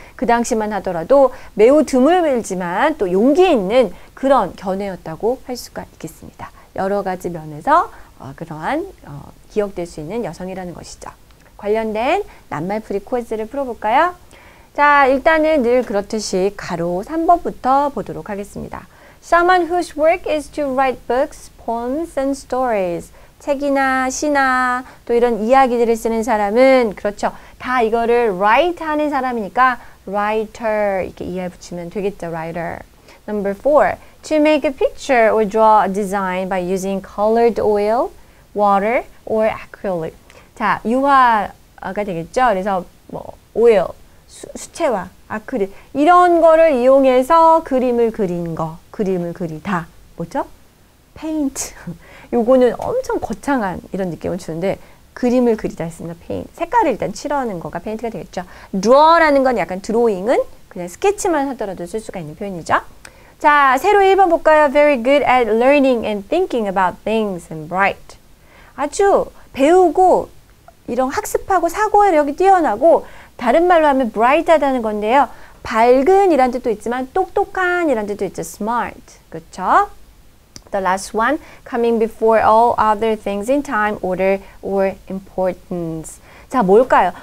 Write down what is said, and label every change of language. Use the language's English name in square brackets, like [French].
[Korean] 그 당시만 하더라도 매우 드물지만 또 용기 있는 그런 견해였다고 할 수가 있겠습니다. 여러 가지 면에서 그러한 기억될 수 있는 여성이라는 것이죠. 관련된 낱말 풀이 퀴즈를 풀어볼까요? 자, 일단은 늘 그렇듯이 가로 3번부터 보도록 하겠습니다. [English] Someone whose work is to write books, poems, and stories. [Korean] 책이나 시나 또 이런 이야기들을 쓰는 사람은 그렇죠. 다 이거를 write 하는 사람이니까 writer 이렇게 이해 붙이면 되겠죠. [English] Writer. Number 4. To make a picture or draw a design by using colored oil, water, or acrylic. [Korean] 자, 유화가 되겠죠. 그래서 뭐 oil, 수채화, 아크릴 이런 거를 이용해서 그림을 그린 거, 그림을 그리다. 뭐죠? [English] Paint. [Korean] 요거는 엄청 거창한 이런 느낌을 주는데 그림을 그리다 했습니다. [English] Paint. [Korean] 색깔을 일단 칠하는 거가 페인트가 되겠죠. Draw라는 건 약간 드로잉은 그냥 스케치만 하더라도 쓸 수가 있는 표현이죠. 자, 새로 1번 볼까요? [English] Very good at learning and thinking about things and bright. [Korean] 아주 배우고 이런 학습하고 사고력이 뛰어나고 다른 말로 하면 bright하다는 건데요. 밝은 이란 뜻도 있지만 똑똑한 이란 뜻도 있죠. [English] Smart. [Korean] 그렇죠? [English] The last one, coming before all other things in time, order, or importance. [Korean] 자, 뭘까요?